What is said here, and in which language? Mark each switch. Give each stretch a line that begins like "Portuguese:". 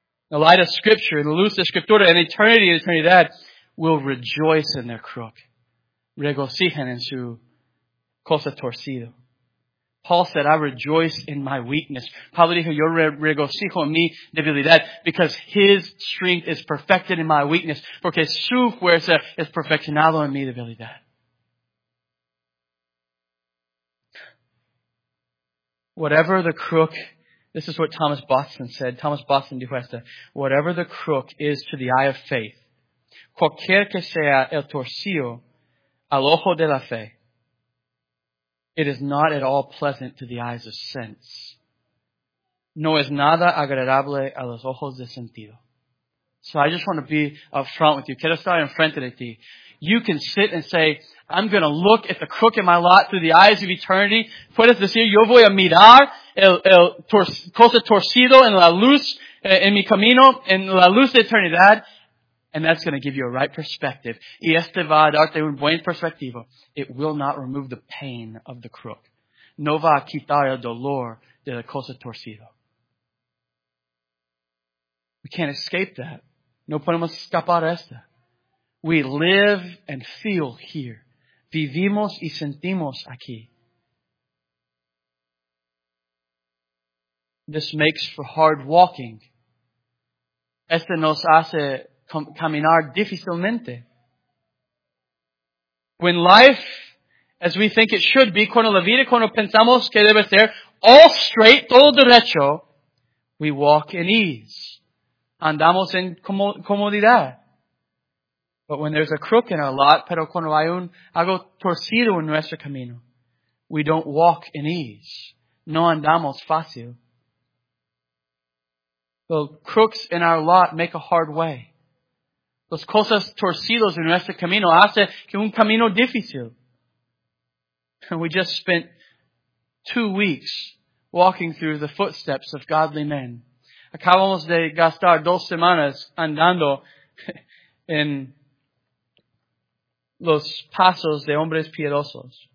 English: The light of scripture, the
Spanish: luz de escritura,
English: and eternity and eternidad will rejoice in their crook.
Spanish: Regocijan en su cosa torcido.
English: Paul said, I rejoice in my weakness.
Spanish: Pablo dijo, yo regocijo en mi debilidad.
English: Because his strength is perfected in my weakness.
Spanish: Porque su fuerza es perfeccionado en mi debilidad.
English: Whatever the crook, this is what Thomas Boston said.
Spanish: Thomas Boston dijo esto.
English: Whatever the crook is to the eye of faith,
Spanish: cualquier que sea el torcido al ojo de la fe,
English: it is not at all pleasant to the eyes of sense.
Spanish: No es nada agradable a los ojos de sentido.
English: So I just want to be up front with you.
Spanish: Quiero estar en frente de ti.
English: You can sit and say, I'm going to look at the crook in my lot through the eyes of eternity.
Spanish: Puedes decir, yo voy a mirar cosa torcido en la luz, en mi camino, en la luz de eternidad.
English: And that's going to give you a right perspective.
Spanish: Y este va a darte un buen perspectivo.
English: It will not remove the pain of the crook.
Spanish: No va a quitar el dolor de la cosa torcido.
English: We can't escape that.
Spanish: No podemos escapar esta.
English: We live and feel here.
Spanish: Vivimos y sentimos aquí.
English: This makes for hard walking.
Spanish: Este nos hace caminar difícilmente.
English: When life, as we think it should be,
Spanish: cuando la vida, cuando pensamos que debe ser,
English: all straight,
Spanish: todo derecho,
English: we walk in ease.
Spanish: Andamos en comodidad.
English: But when there's a crook in our lot,
Spanish: pero cuando hay algo torcido en nuestro camino,
English: we don't walk in ease.
Spanish: No andamos fácil.
English: The crooks in our lot make a hard way.
Spanish: Los cosas torcidos en nuestro camino hace que un camino difícil.
English: And we just spent 2 weeks walking through the footsteps of godly men.
Spanish: Acabamos de gastar 2 semanas andando en los pasos de hombres piedosos.